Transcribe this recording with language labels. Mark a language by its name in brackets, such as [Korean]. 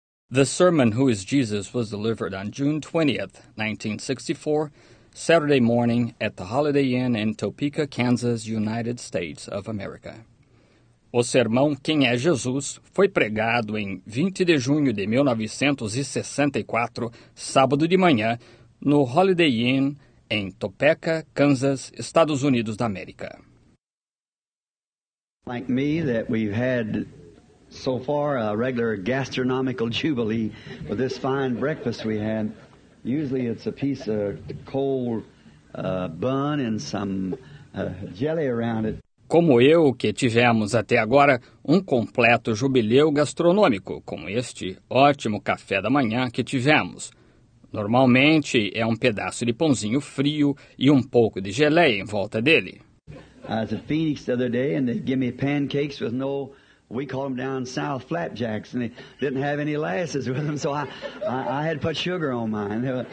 [English] The sermon, Who is Jesus?, was delivered on June 20, 1964, Saturday morning at the Holiday Inn in Topeka, Kansas, United States of America. [Portuguese] O sermão, Quem é Jesus?, foi pregado em 20 de junho de 1964, sábado de manhã, no Holiday Inn em Topeka, Kansas, Estados Unidos da América. [English] Like me, that we've had so far a regular gastronomical jubilee with this fine breakfast we had. Usually it's a piece of cold bun and some jelly around it. [Portuguese] Como eu, que tivemos até agora um completo jubileu gastronômico, com este ótimo café da manhã que tivemos. Normalmente é um pedaço de pãozinho frio e um pouco de geleia em volta dele. [English] I was at Phoenix the other day and they gave me pancakes with no... We call them down south flapjacks, and they didn't have any lasses with them, so I had to put sugar on mine.